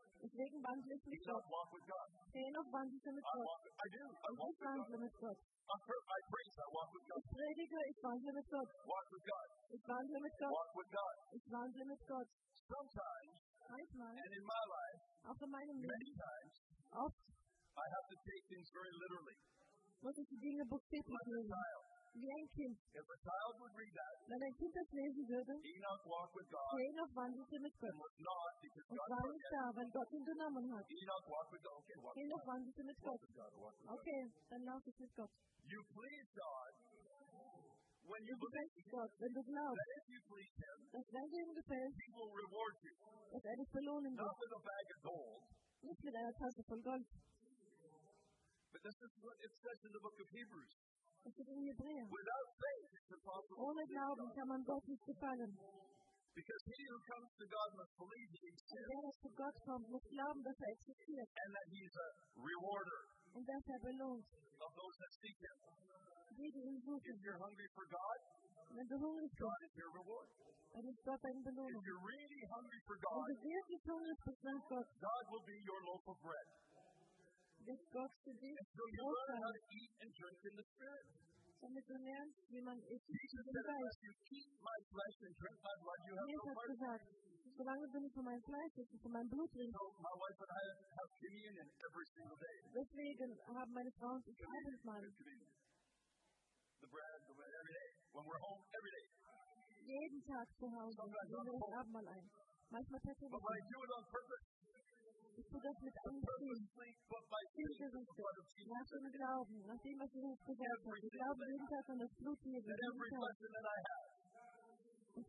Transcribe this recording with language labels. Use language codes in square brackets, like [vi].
[de] Deswegen wandle ich mit Gott. Dennoch wandle ich mit Gott. Und ich wandle mit Gott. Ich predige, ich wandle mit Gott. Ich wandle mit Gott. Ich wandle mit Gott. Manchmal, auch in meinem Leben, oft, [en] I have to take things very literally. [de] Muss ich die Dinge buchstäblich nehmen. Wie ein Kind. [en] If a child would read that, [de] wenn ein Kind das lesen würde, [en] Enoch walked with God, [de] Enoch wandelte mit Gott. Und war nicht da, weil Gott ihn genommen hat. [en] Enoch walked with God. Okay, [de] Enoch wandelte mit Gott. Okay, dann lauf ich mit Gott. [en] You please God, when you [de] du gefällst Gott, wenn du glaubst, [en] that if you please him, [de] dass wenn du ihm gefällst, [en] he will reward you. [de] Dass er dich belohnen wird. [en] Not with a bag of gold, [de] nicht mit einer Tasche von Gold. [en] But this is what it says in the book of Hebrews. [de] Es steht in Hebräer. [en] Without faith, it's impossible. [de] Ohne Glauben kann man Gott nicht gefallen. [en] Because he who comes to God must believe he exists. [de] Und wer zu Gott kommt, muss glauben, dass er existiert. [en] And that he is a rewarder. [de] Und dass er belohnt. [en] Of those that seek him. [de] Die, die ihn suchen. [en] If you're hungry for God, [de] wenn du hungrig bist, [en] God is your reward. [de] Dann ist Gott dein Belohnung. [en] If you're really hungry for God, [de] wenn du wirklich hungrig bist nach Gott, [en] God will be your loaf of bread. [de] Das Gott zu dir. [en] So you learn how to eat and drink in the Spirit. [de] Damit du lernst, wie man isst. [en] Jesus said, unless you keep my flesh and drink my blood, you have no part. [de] Jesus hat gesagt, solange du nicht von meinem Fleisch isst und von meinem Blut trinkst. [en] So my wife and I have communion in every single day. [de] Deswegen haben meine Frau und ich Abendmahl. [en] The bread, the bread every day. When we're home, every day. [de] Jeden Tag zu Hause. Wir nehmen das Abendmahl ein. Manchmal fette ich. [en] But I do it on purpose. [de] Ich tue das mit einem Ziel. Ich versuche, nach dem Glauben, nach dem, was Jesus gesagt hat. Ich glaube jeden Tag an das Blut Jesus. Ich habe